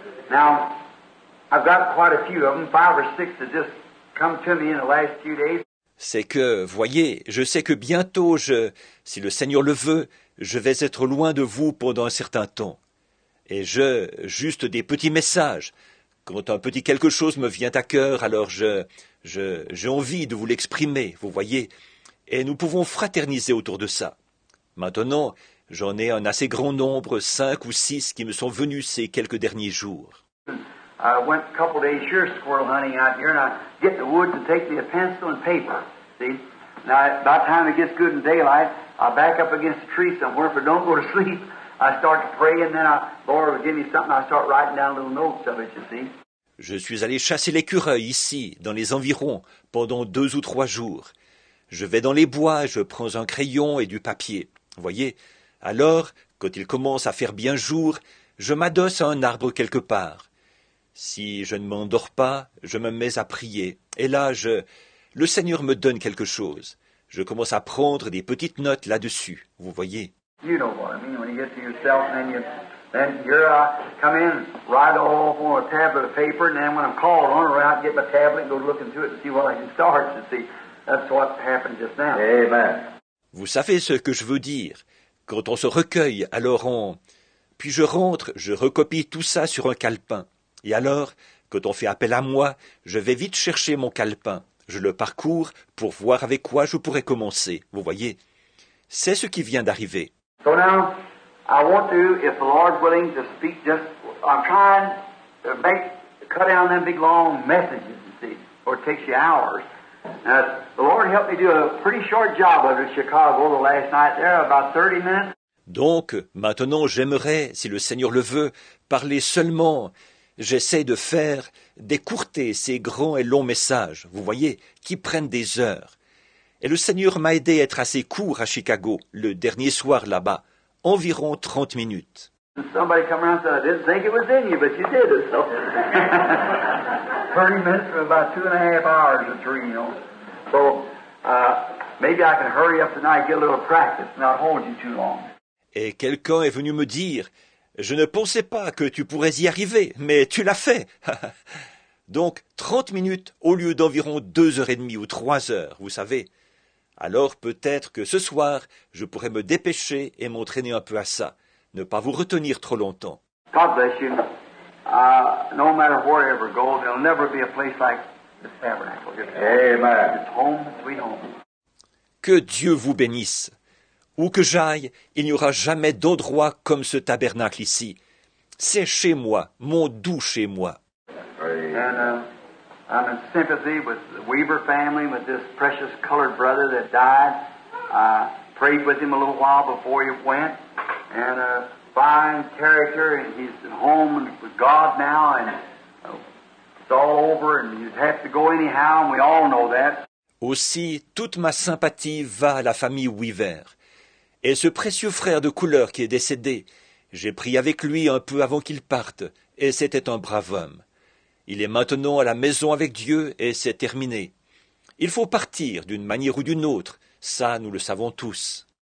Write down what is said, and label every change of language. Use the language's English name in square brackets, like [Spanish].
[English] Now, I've got quite a few of them, five or six that just come to me in the last few days. [French] C'est que, voyez, je sais que bientôt, si le Seigneur le veut, je vais être loin de vous pendant un certain temps. Et juste des petits messages. Quand un petit quelque chose me vient à cœur, alors j'ai envie de vous l'exprimer, vous voyez. Et nous pouvons fraterniser autour de ça. Maintenant, j'en ai un assez grand nombre, cinq ou six, qui me sont venus ces quelques derniers jours. [English] I went a couple of days here squirrel hunting out here, and I get in the woods and take me a pencil and paper, see? Now, by the time it gets good in daylight, I back up against a tree somewhere, but don't go to sleep. I start to pray, and then Lord will give me something, I start writing down little notes of it, you see? [French] Je suis allé chasser l'écureuil ici, dans les environs, pendant deux ou trois jours. Je vais dans les bois, je prends un crayon et du papier, voyez? Alors, quand il commence à faire bien jour, je m'adosse à un arbre quelque part. Si je ne m'endors pas, je me mets à prier. Et là, le Seigneur me donne quelque chose. Je commence à prendre des petites notes là-dessus, vous voyez. [English] You know what I mean when you get to yourself, and then here I come in, write all on a tablet of paper, and then when I'm called on, I get my tablet and go looking through it and see what I can start to see. That's what happened just now. Amen. [French] Vous savez ce que je veux dire. Quand on se recueille, alors on... Puis je rentre, je recopie tout ça sur un calepin. Et alors, quand on fait appel à moi, je vais vite chercher mon calepin. Je le parcours pour voir avec quoi je pourrais commencer. Vous voyez, c'est ce qui vient d'arriver. [English] So now, I want to, if the Lord's willing to speak, just I'm trying to make cut down them big long messages, you see, or it takes you hours. Now, the Lord helped me do a pretty short job of it in Chicago the last night there, about 30 minutes. [French] Donc, maintenant, j'aimerais, si le Seigneur le veut, parler seulement. J'essaie de faire d'écourter ces grands et longs messages, vous voyez, qui prennent des heures. Et le Seigneur m'a aidé à être assez court à Chicago, le dernier soir là-bas, environ 30 minutes. [English] Somebody come around and said, I didn't think it was in you, but you did it, so. 30 minutes for about 2.5 hours of dream, you know. So, maybe I can hurry up tonight, get a little practice, not hold you too long. [French] Et quelqu'un est venu me dire, je ne pensais pas que tu pourrais y arriver, mais tu l'as fait. Donc, 30 minutes au lieu d'environ 2h30 ou 3h, vous savez. Alors, peut-être que ce soir, je pourrais me dépêcher et m'entraîner un peu à ça, ne pas vous retenir trop longtemps. [English] God bless you. No matter where you ever go, there'll never be a place like the tabernacle. Amen. It's home, sweet home. [French] Que Dieu vous bénisse. Où que j'aille, il n'y aura jamais d'endroit comme ce tabernacle ici. C'est chez moi, mon doux chez moi. [English] And, I'm in sympathy with the Weaver family, with this precious colored brother that died. I prayed with him a little while before he went. And a fine character, and he's at home with God now, and it's all over, and you'd have to go anyhow, and we all know that. [French] Aussi, toute ma sympathie va à la famille Weaver. Et ce précieux frère de couleur qui est décédé, j'ai prié avec lui un peu avant qu'il parte, et c'était un brave homme. Il est maintenant à la maison avec Dieu, et c'est terminé. Il faut partir d'une manière ou d'une autre, ça nous le savons tous.